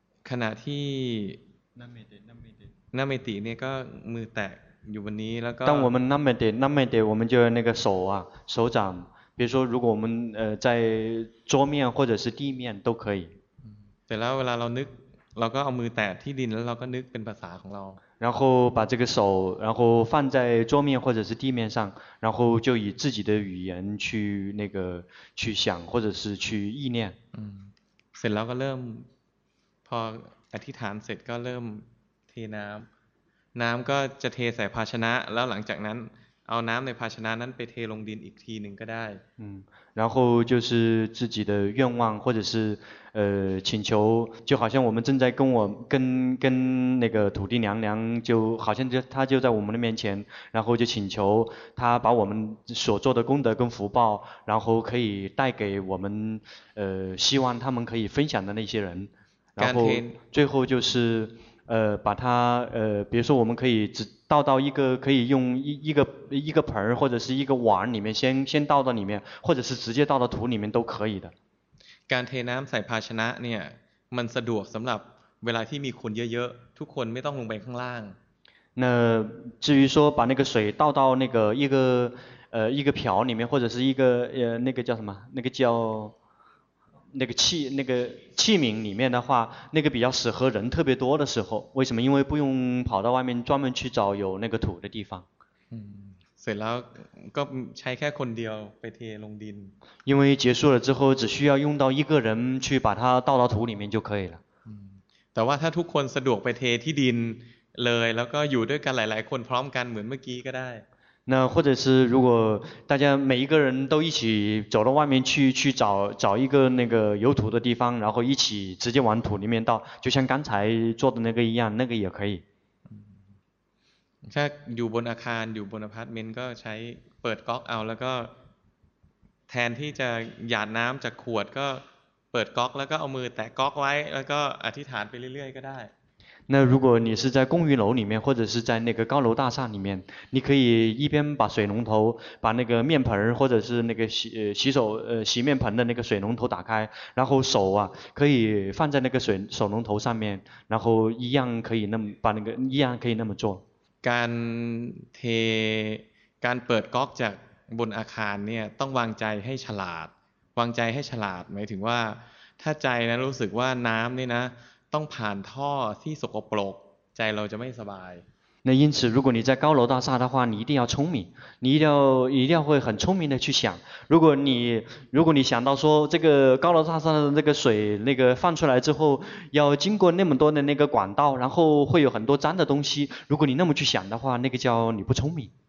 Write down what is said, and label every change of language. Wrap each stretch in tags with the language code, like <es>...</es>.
<th>ขณะที่นัมเมติ เตเนี่ยก็มือแตกอยู่วันนี้แล้วก็</th> <zh>当我们นัมเมติ我们就那个手啊手掌比如说如果我们在桌面或者是地面都可以</zh> <th>แต่แล้วเวลาเรานึกเราก็เอามือแตะที่ดินแล้วเราก็นึกเป็นภาษาของเรา</th> <zh>然后把这个手然后放在桌面或者是地面上然后就以自己的语言去那个去想或者是去意念</zh> <th>เสร็จแล้วก็เริ่มพออธิษฐานเสร็จก็เริ่มเทน้ำน้ำก็จะเทใส่ภาชนะแล้วหลังจากนั้นเอาน้ำในภาชนะนั้นไปเทลงดินอีกทีหนึ่งก็ได้</th> <zh>然后就是自己的愿望或者是请求就好像我们正在跟那个土地娘娘就好像就她就在我们的面前然后就请求她把我们所做的功德跟福报然后可以带给我们希望他们可以分享的那些人然后最后就是把它比如说我们可以只倒到一个可以用一个盆或者是一个碗里面先倒到里面或者是直接倒到土里面都可以的</zh> <th>การเทน้ำใส่ภาชนะเนี่ยมันสะดวกสำหรับเวลาที่มีคนเยอะๆทุกคนไม่ต้องลงไปข้างล่าง</th> <zh>那至于说把那个水倒到那个一个瓢里面或者是一个那个叫什么那个叫那个器那个器皿里面的话那个比较适合人特别多的时候为什么因为不用跑到外面专门去找有那个土的地方</zh> <th>เสร็จแล้วก็ใช้แค่คนเดียวไปเทลงดิน</th> <zh>因为结束了之后只需要用到一个人去把它倒到土里面就可以了</zh> <th>แต่ว่าถ้าทุกคนสะดวกไปเทที่ดินเลยแล้วก็อยู่ด้วยกันหลายๆคนพร้อมกันเหมือนเมื่อกี้ก็ได้</th> <zh>那或者是如果大家每一个人都一起走到外面去找一个那个有土的地方然后一起直接往土里面倒就像刚才做的那个一样那个也可以</zh> <th>ถ้าอยู่บนอาคารอยู่บนอพาร์ตเมนต์ก็ใช้เปิดก๊อกเอาแล้วก็แทนที่จะหยาดน้ำจากขวดก็เปิดก๊อกแล้วก็เอามือแตะก๊อกไว้แล้วก็อธิษฐานไปเรื่อยๆก็ได้</th> <zh>那如果你是在公寓楼里面或者是在那个高楼大厦里面你可以一边把水龙头把那个面盆或者是那个 洗面盆的那个水龙头打开然后手啊可以放在那个水手龙头上面然后一样可以那么把那个一样可以那么做</zh> <th>การเทการเปิดก๊อกจากบนอาคารเนี่ยต้องวางใจให้ฉลาดวางใจให้ฉลาดหมายถึงว่าถ้าใจนะรู้สึกว่าน้ำนี่นะต้องผ่านท่อที่สกปรกใจเราจะไม่สบาย</th> <zh>那因此如果你在高楼大厦的话你一定要聪明你一定要会很聪明的去想如果你想到说这个高楼大厦的那个水那个放出来之后要经过那么多的那个管道然后会有很多脏的东西如果你那么去想的话那个叫你不聪明</zh>